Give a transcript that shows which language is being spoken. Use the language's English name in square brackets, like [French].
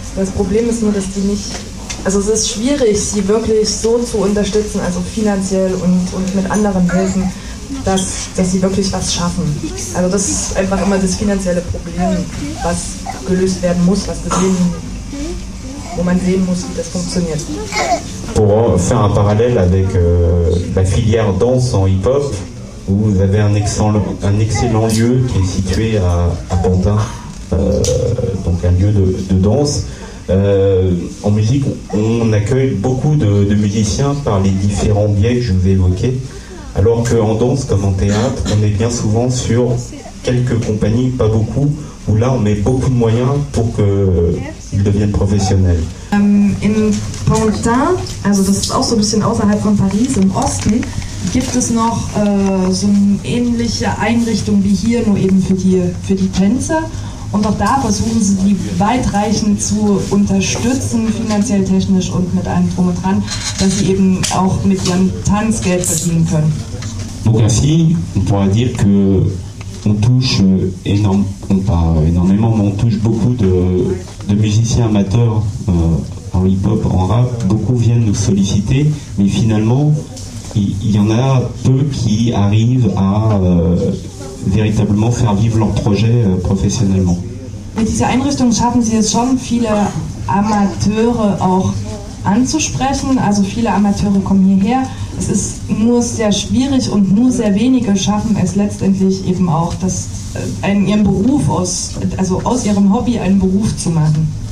[German] Das Problem ist nur, dass die nicht, also es ist schwierig, sie wirklich so zu unterstützen, also finanziell und mit anderen Hilfen, dass sie wirklich was schaffen. Also das ist einfach immer das finanzielle Problem, was gelöst werden muss, was gesehen, wo man sehen muss, wie das funktioniert. [French] Pour faire un parallèle avec la filière danse en hip-hop, Vous avez un excellent lieu qui est situé à Pantin, donc un lieu de danse. En musique, on accueille beaucoup de musiciens par les différents biais que je vous ai évoqués. Alors qu'en danse, comme en théâtre, on est bien souvent sur quelques compagnies, pas beaucoup, où là on met beaucoup de moyens pour qu'ils deviennent professionnels. [German] In Pantin, also das ist auch so ein bisschen außerhalb von Paris, im Osten, gibt es noch so eine ähnliche Einrichtung wie hier, nur eben für die Tänzer. Und auch da versuchen sie, die weitreichend zu unterstützen, finanziell, technisch und mit allem drum und dran, dass sie eben auch mit ihrem Tanz Geld verdienen können. [French] Donc ainsi, on pourrait dire que on touche énormément, mais on touche beaucoup de musiciens amateurs en hip-hop, en rap. Beaucoup viennent nous solliciter, mais finalement, il y en a peu qui arrivent à véritablement faire vivre leur projet professionnellement. [German] Mit dieser Einrichtung schaffen sie es schon, viele Amateure auch anzusprechen. Also viele Amateure kommen hierher. Es ist nur sehr schwierig und nur sehr wenige schaffen es letztendlich eben auch, das in ihrem Beruf aus ihrem Hobby einen Beruf zu machen.